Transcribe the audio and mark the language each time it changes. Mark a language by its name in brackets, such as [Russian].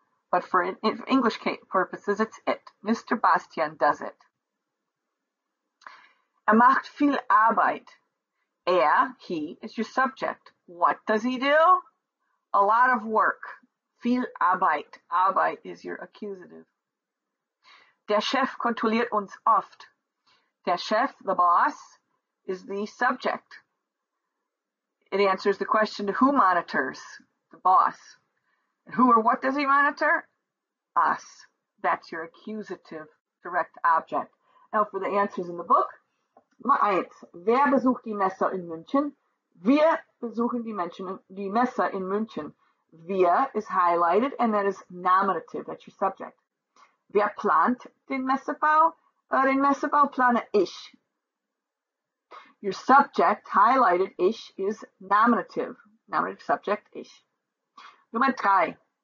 [English] But for English purposes, it's it. Mr. Bastian does it. [German] Er macht viel Arbeit. [English] Er, he, is your subject. What does he do? A lot of work. [German] Viel Arbeit. [English] Arbeit is your accusative. [German] Der Chef kontrolliert uns oft. [English] Der Chef, the boss, is the subject. It answers the question, who monitors the boss? And who or what does he monitor? Us. That's your accusative direct object. Now for the answers in the book. [German] Nummer 1. Wer besucht die Messe in München? Wir besuchen die Messe in München. [English] Wir is highlighted and that is nominative. That's your subject. [German] Wer plant den Messebau? Den Messebau plane ich. [English] Your subject highlighted ich is nominative. Nominative subject ich. [German] Nummer 3.